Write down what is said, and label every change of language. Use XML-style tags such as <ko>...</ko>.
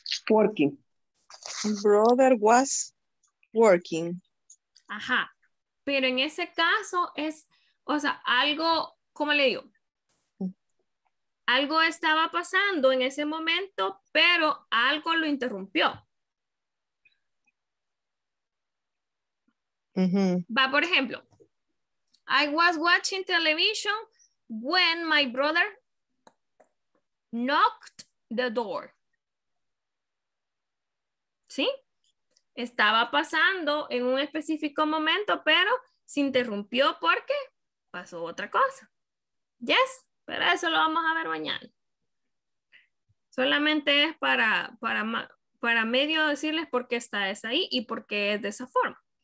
<en>working brother was working. Ajá.</en> <es>Pero en ese caso es, o sea, algo, ¿cómo le digo? Algo estaba pasando en ese momento, pero algo lo interrumpió. Uh-huh. Va, por ejemplo,</es> <en>I was watching television when my brother knocked the door.</en> <es>¿Sí? Estaba pasando en un específico momento, pero se interrumpió porque pasó otra cosa.</es> <en>Yes,</en> <es>pero eso lo vamos a ver mañana. Solamente es para medio decirles por qué está esa ahí y por qué es de esa forma.</es>